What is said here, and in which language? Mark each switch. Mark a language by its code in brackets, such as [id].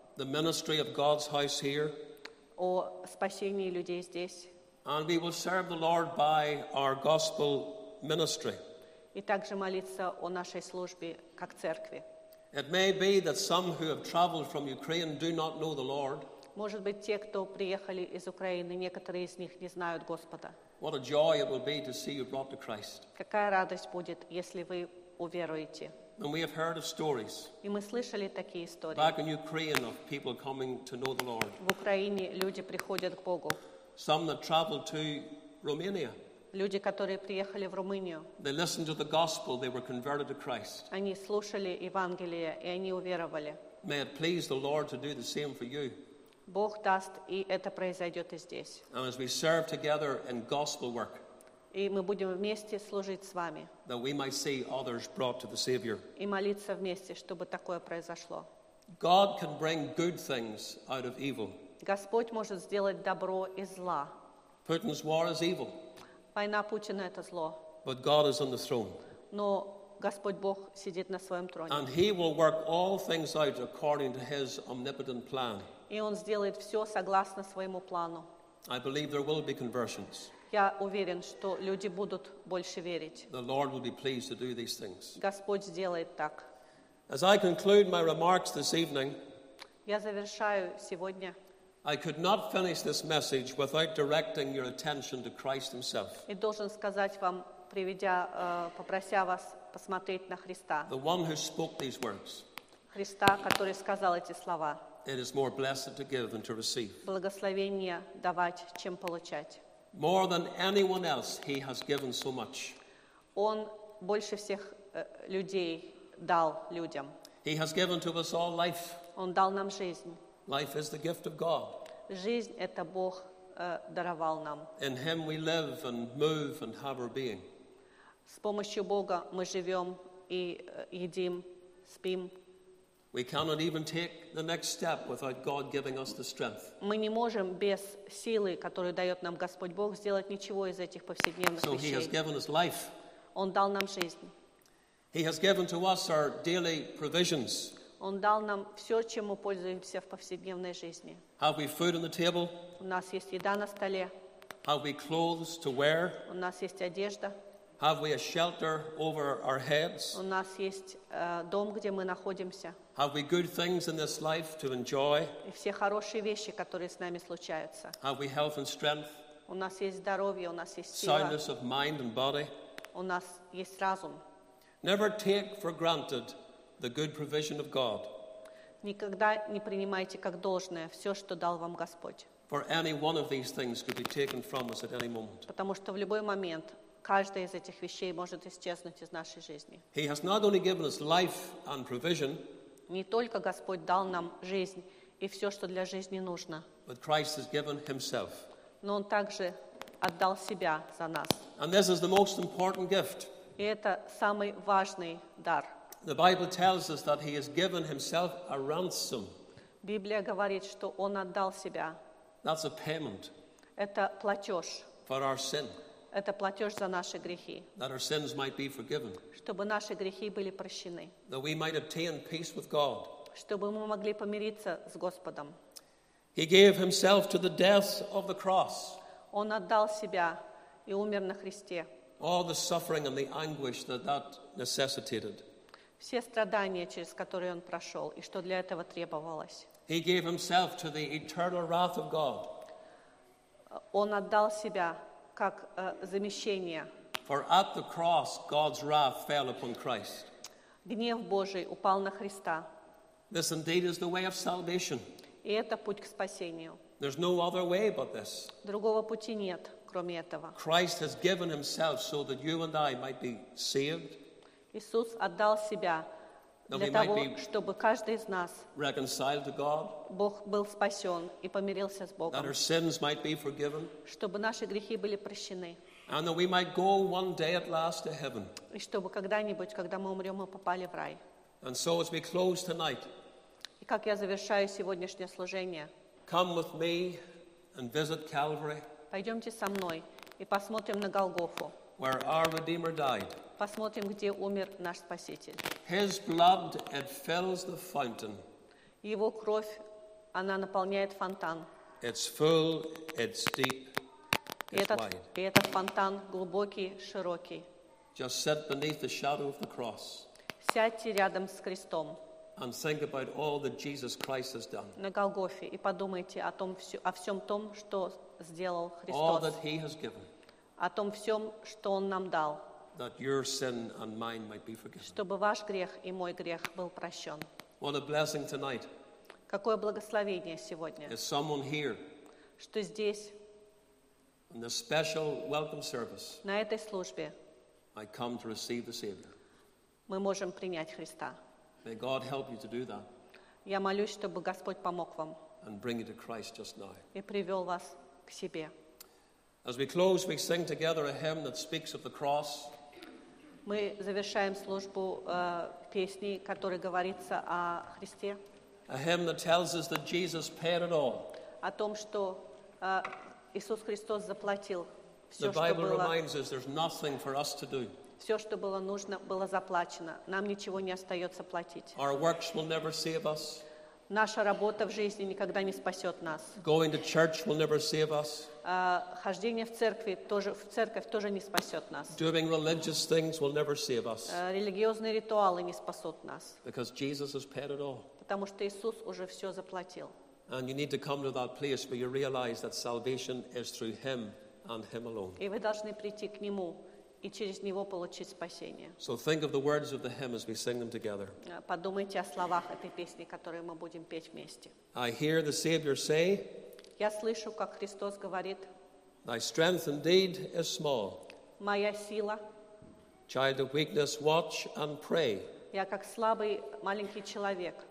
[en] The ministry of God's house here. [ru] О спасении людей здесь. [en] And we will serve the Lord by our gospel ministry. [ru] И также молиться о нашей службе как церкви. [en] It may be that some who have traveled from Ukraine do not know the Lord. [ru] Может быть, те, кто приехали из Украины, некоторые из них не знают Господа. [en] What a joy it will be to see you brought to Christ. [ru] Какая радость будет, если вы уверуете. [en] And we have heard of stories. [ru] И мы слышали такие истории. [en] Back in Ukraine, of people coming to know the Lord. [ru] В Украине люди приходят к Богу. [en] Some that traveled to Romania. [ru] Люди, которые приехали в Румынию. [en] They listened to the gospel. They were converted to Christ. [ru] Они слушали Евангелие и они уверовали. [en] May it please the Lord to do the same for you. [ru] Бог дасть, и это произойдет и здесь. [en] And as we serve together in gospel work, [ru] и мы будем вместе служить с вами, [en] that we might see others brought to the Savior, [ru] и молиться вместе, чтобы такое произошло. [en] God can bring good things out of evil. [ru] Господь может сделать добро из зла. [en] Putin's war is evil. [ru] Война Путина — это зло. [en] But God is on the throne. [ru] Но Господь Бог сидит на своем троне. [en] And He will work all things out according to His omnipotent plan. [ru] И Он сделает все согласно своему плану. [en] I believe there will be conversions. [ru] Я уверен, что люди будут больше верить. [en] The Lord will be pleased to do these things. [ru] Господь сделает так. [en] As I conclude my remarks this evening, [ru] я завершаю сегодня. [en] I could not finish this message without directing your attention to Christ Himself. [ru] И должен сказать вам, приведя, попрося вас посмотреть на Христа. [en] The one who spoke these words. [ru] Христа, который сказал эти слова. [en] It is more blessed to give than to receive. [ru] Благословение давать, чем получать. [en] More than anyone else, He has given so much. [ru] Он больше всех людей дал людям. [en] He has given to us all life. [ru] Он дал нам жизнь. [en] Life is the gift of God. [ru] Жизнь это Бог даровал нам. [en] In Him we live and move and have our being. [ru] С помощью Бога мы живем и едим, спим. [en] We cannot even take the next step without God giving us the strength. [ru] Мы не можем без силы, которую дает нам Господь Бог, сделать ничего из этих повседневных вещей. [en] So He has given us life. [ru] Он дал нам жизнь. [en] He has given to us our daily provisions. [ru] Он дал нам все, чем мы пользуемся в повседневной жизни. [en] Have we food on the table? [ru] У нас есть еда на столе. [en] Have we clothes to wear? [ru] У нас есть одежда. [en] Have we a shelter over our heads? [ru] У нас есть дом, где мы находимся. [en] Have we good things in this life to enjoy? [ru] И все хорошие вещи, которые с нами случаются. [en] Have we health and strength? [ru] У нас есть здоровье, у нас есть сила. [en] Soundness of mind and body? [ru] У нас есть разум. [en] Never take for granted the good provision of God. [ru] Никогда не принимайте как должное все, что дал вам Господь. [en] For any one of these things could be taken from us at any moment. [ru] Потому что в любой момент каждая из этих вещей может исчезнуть из нашей жизни. [en] He has not only given us life and provision. [ru] Не только Господь дал нам жизнь и все, что для жизни нужно. [en] But Christ has given Himself. [ru] Но Он также отдал Себя за нас. [en] And this is the most important gift. [ru] И это самый важный дар. [en] The Bible tells us that He has given Himself a ransom. [ru] Библия говорит, что Он отдал Себя. [en] That's a payment. [ru] Это платеж. [en] For our sin. [ru] Это платеж за наши грехи. [en] That our sins might be forgiven. [ru] Чтобы наши грехи были прощены. [en] That we might obtain peace with God. [ru] Чтобы мы могли помириться с Господом. [en] He gave Himself to the death of the cross. [ru] Он отдал Себя и умер на Христе. [en] All the suffering and the anguish that that necessitated. [ru] Все страдания, через которые Он прошел, и что для этого требовалось. [en] He gave Himself to the eternal wrath of God. [ru] Он отдал Себя как замещение. [en] For at the cross God's wrath fell upon Christ. [ru] Гнев Божий упал на Христа. [en] This indeed is the way of salvation. [ru] И это путь к спасению. [en] There's no other way but this. [ru] Другого пути нет, кроме этого. [en] Christ has given Himself so that you and I might be saved. [ru] Иисус отдал Себя для того, чтобы каждый из нас Бог был спасен и помирился с Богом. [en] That our sins might be forgiven. [ru] Чтобы наши грехи были прощены. [en] And that we might go one day at last to heaven. [ru] И чтобы когда-нибудь, когда мы умрем, мы попали в рай. [en] And so as we close tonight, [ru] и как я завершаю сегодняшнее служение, [en] come with me and visit Calvary, [ru] пойдемте со мной и посмотрим на Голгофу, [en] where our Redeemer died. [ru] Посмотрим, где умер наш Спаситель. [en] His blood, it fills the fountain. [ru] Его кровь, она наполняет фонтан. [en] It's full, it's deep, it's wide. [ru] И этот фонтан глубокий, широкий. [en] Just sit beneath the shadow of the cross. [ru] Сядьте рядом с крестом. [en] And think about all that Jesus Christ has done. [ru] На Голгофе и подумайте о том, о всем том, что сделал Христос. [en] All that He has given. [ru] О том всем, что Он нам дал. [en] That your sin and mine might be forgiven. [ru] Чтобы ваш грех и мой грех был прощен. [en] What a blessing tonight. [ru] Какое благословение сегодня. [en] Is someone here. [ru] Что здесь. [en] In the special welcome service. [ru] На этой службе. [en] I come to receive the Savior. [ru] Мы можем принять Христа. [en] May God help you to do that. [ru] Я молюсь, чтобы Господь помог вам. [en] and bring you to Christ just now. [ru] И привел вас к себе. [en] As we close, we sing together a hymn that speaks of the cross. [ru] Мы завершаем службу песней, которая говорится о Христе. [en] A hymn that tells us that Jesus paid it all. [ru] О том, что Иисус Христос заплатил все, [en] the Bible [ru] что было, [en] reminds us there's nothing for us to do. [ru] Все, что было нужно, было заплачено. Нам ничего не остается платить. [en] Our works will never save us. [ru] Наша работа в жизни никогда не спасет нас. [en] Going to church will never save us. [ru] Хождение в церкви тоже, в церковь тоже не спасет нас. [en] Doing religious things will never save us. [ru] Религиозные ритуалы не спасут нас. [en] Because Jesus has paid it all. [ru] Потому что Иисус уже все заплатил. [en] And you need to come to that place where you realize that salvation is through Him and Him alone. [ru] И вы должны прийти к Нему и через Него получить спасение. [en] So think of the words of the hymn as we sing them together. [ru] Подумайте о словах этой песни, которую мы будем петь вместе. [en] I hear the Savior say, [ru] я слышу, как Христос говорит, [en] thy strength indeed is small. [ru] Моя сила. [en] Child of weakness, watch and pray. [ru] Я как слабый маленький человек.